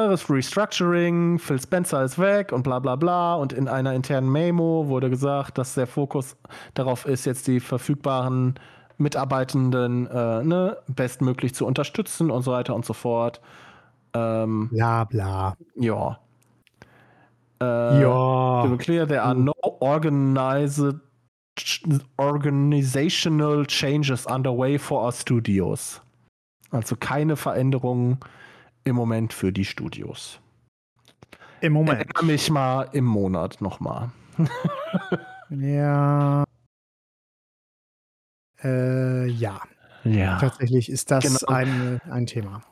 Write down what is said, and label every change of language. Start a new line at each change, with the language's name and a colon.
German: Restructuring, Phil Spencer ist weg und bla bla bla. Und in einer internen Memo wurde gesagt, dass der Fokus darauf ist, jetzt die verfügbaren Mitarbeitenden bestmöglich zu unterstützen und so weiter und so fort. Bla bla. Ja. Ja.
English: To be clear, there are no organizational changes underway for our studios.
German: Also keine Veränderungen im Moment für die Studios. Im Moment. Erinnere mich mal im Monat nochmal. Ja. Ja. Ja. Tatsächlich ist das genau ein Thema.